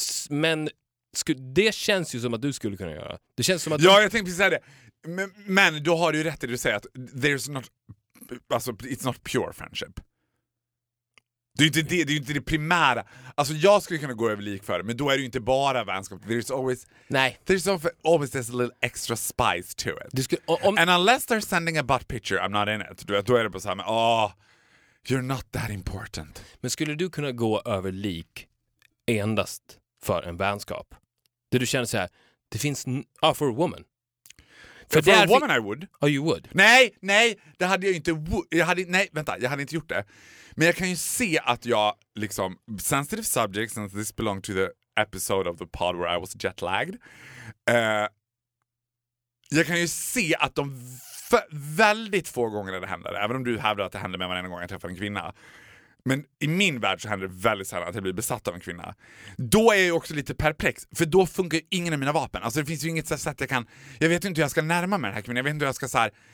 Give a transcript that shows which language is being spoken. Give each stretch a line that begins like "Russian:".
Swedish: Men det känns ju som att du skulle kunna göra. Det känns som att jag tänkte precis säga det. Men då har du ju rätt i det du säger, att
English: there's not,
Swedish: alltså
English: it's not pure friendship.
Swedish: Det är inte det, det är inte det primära. Alltså jag skulle kunna gå över lik för det, men då är det ju inte bara vänskap.
English: There's always,
Swedish: nej,
English: there's always this little extra spice to it.
Swedish: Du skulle,
English: and unless they're sending a butt picture, I'm not in it.
Swedish: Då är det bara så här,
English: you're not that important.
Swedish: Men skulle du kunna gå över lik endast för en vänskap? Det du känner så här, det finns
English: for a woman. For a woman I would. Oh, you would.
Swedish: Nej, det hade jag inte. Jag hade inte gjort det. Men jag kan ju se att jag liksom,
English: sensitive subject, since this belonged to the episode of the pod where I was jet lagged.
Swedish: Jag kan ju se att de väldigt få gånger det händer, även om du hävdar att det händer med varenda gång jag träffar en kvinna. Men i min värld så händer det väldigt sällan att jag blir besatt av en kvinna. Då är jag ju också lite perplex. För då funkar ju ingen av mina vapen. Alltså det finns ju inget sätt jag kan... Jag vet inte hur jag ska närma mig den här kvinnan. Jag vet inte hur jag ska så här...